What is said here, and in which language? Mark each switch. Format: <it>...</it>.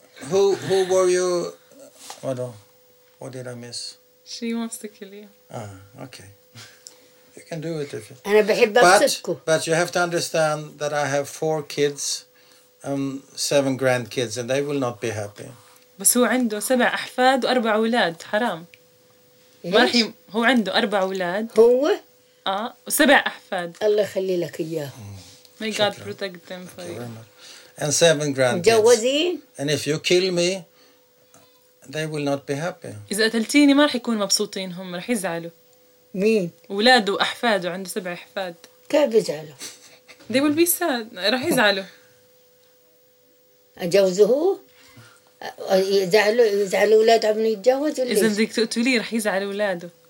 <en>Who were you</en> <ar>ولو</ar> <en>What did I miss? She wants to kill you. Okay. You can do it if you...</en> <ar>أنا بحب أبسطكو.</ar> <en>But you have to understand that I have four kids, seven grandkids, and they will not be happy.</en> <ar>بس هو عنده سبع أحفاد وأربع أولاد. حرام. هو عنده أربع أولاد. هو؟ وسبع أحفاد. الله يخلي لك إياه.</ar> <en>May God protect them for you. And seven grandkids.</en> <ar>متجوزين.</ar> <en>And if you kill me, They will not be happy.</en> <ar>إذا قتلتيني ما رح يكون مبسوطين هم رح يزعلوا. مين؟ أولاده وأحفاده عنده سبع أحفاد. كيف يزعلوا؟</ar> <en>They will be sad.</en> <ar>رح يزعلوا. أجوزه؟ يزعلوا أولاده عم يتجوز ولا إذا بدك تقتليه رح يزعل أولاده.</ar>